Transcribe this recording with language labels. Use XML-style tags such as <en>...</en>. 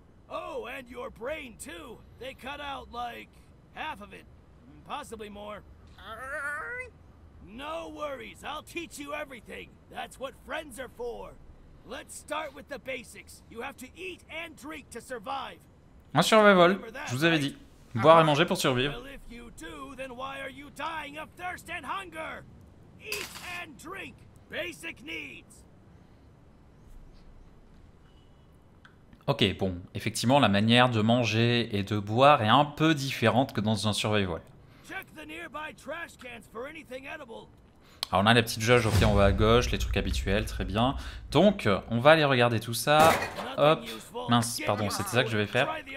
<en>Oh, and your brain too. They cut out like half of it, possibly more. No worries, I'll teach you everything. That's what friends are for. Let's start with the basics. You have to eat and drink to survive.</en> <fr>Un survival, je vous avais dit. Boire et manger pour survivre.</fr> <en>Well, if you do, then why are you dying of thirst and hunger? Eat and drink, basic needs.</en> <fr>Ok, bon, effectivement, la manière de manger et de boire est un peu différente que dans un survival.</fr> <en>Check the nearby trash cans for anything edible.</en> <fr>Alors on a les petites jauges, ok, on va à gauche, les trucs habituels, très bien. Donc, on va aller regarder tout ça. Hop, mince, pardon, c'était ça que je vais faire.</fr>